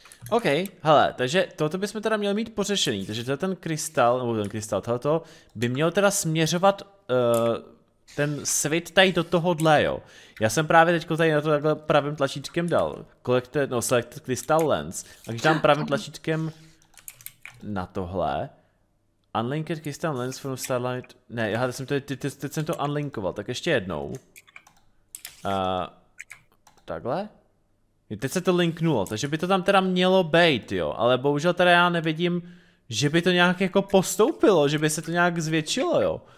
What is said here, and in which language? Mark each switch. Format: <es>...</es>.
<cs>OK, hele, takže toto bychom teda měli mít pořešený. Takže to je ten krystal, nebo ten krystal, tohleto by měl teda směřovat ten svit tady do tohohle, jo. Já jsem právě teďko tady na to takhle pravým tlačítkem dal.</cs> <en>Select Crystal Lens.</en> <cs>A když dám pravým tlačítkem na tohle.</cs> <en>Unlinked Crystal Lens from Starlight.</en> <cs>Ne, já jsem to, teď jsem to unlinkoval, tak ještě jednou. Takhle? Teď se to linknulo, takže by to tam teda mělo být, jo, ale bohužel teda já nevidím, že by to nějak jako postoupilo, že by se to nějak zvětšilo, jo.</cs>